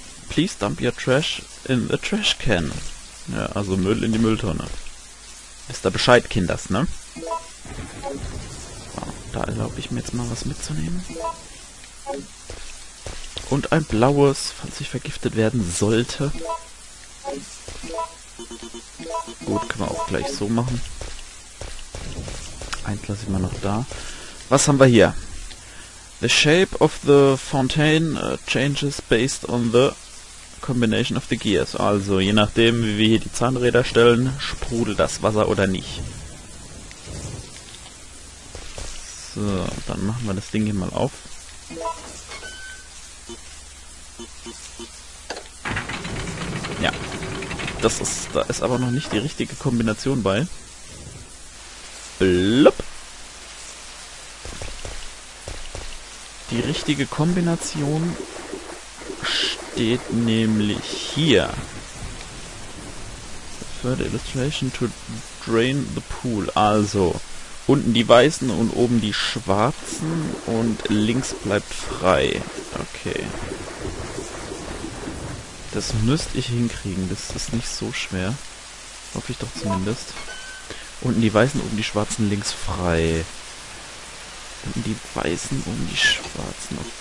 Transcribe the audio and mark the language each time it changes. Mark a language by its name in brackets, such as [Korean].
[English] Please dump your trash in the trash can. [German] Ja, also Müll in die Mülltonne. Wisst ihr Bescheid, Kinders, ne? Da erlaube ich mir jetzt mal was mitzunehmen. Und ein blaues, falls ich vergiftet werden sollte. Gut, können wir auch gleich so machen. Eins lasse ich mal noch da. Was haben wir hier? [English] The shape of the fountain changes based on the combination of the gears. [German] Also, je nachdem, wie wir hier die Zahnräder stellen, sprudelt das Wasser oder nicht. So, dann machen wir das Ding hier mal auf. Ja. Da ist aber noch nicht die richtige Kombination bei. Blub. Die richtige Kombination steht nämlich hier. [English] Further illustration to drain the pool. [German] Also, unten die weißen und oben die schwarzen und links bleibt frei. Okay. Das müsste ich hinkriegen. Das ist nicht so schwer. Hoffe ich doch zumindest. Unten die weißen, oben die schwarzen, links frei. Unten die weißen, oben die schwarzen.